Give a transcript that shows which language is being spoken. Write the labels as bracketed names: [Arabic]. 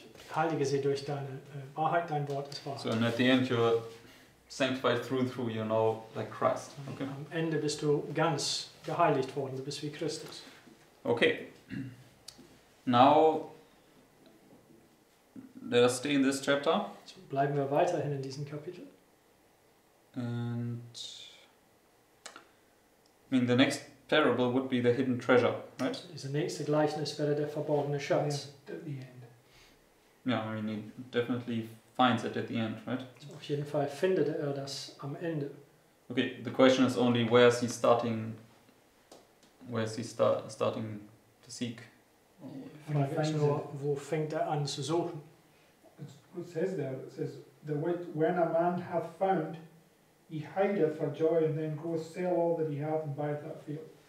[German] Heilige sie durch deine Wahrheit, dein Wort ist wahr. [English] So, and at the end you're sanctified through and through, you're now like Christ. Okay. [German] Am Ende bist du ganz geheiligt worden, du bist wie Christus. [English] Okay. Now, let us stay in this chapter. [German] So bleiben wir weiterhin in diesem Kapitel. [English] And, I mean, the next parable would be the hidden treasure, right? [German] Dieser nächste Gleichnis wäre der verborgene Schatz. [English] Yeah, I mean, he definitely finds it at the end, right? [German] So auf jeden Fall findet er das am Ende. [English] Okay, the question is only where is he starting? Where is he starting to seek? [German] Wo fängt er an zu suchen? [English] It says there. It says the word, when a man hath found, he hideth for joy, and then goes sell all that he hath and buy that field.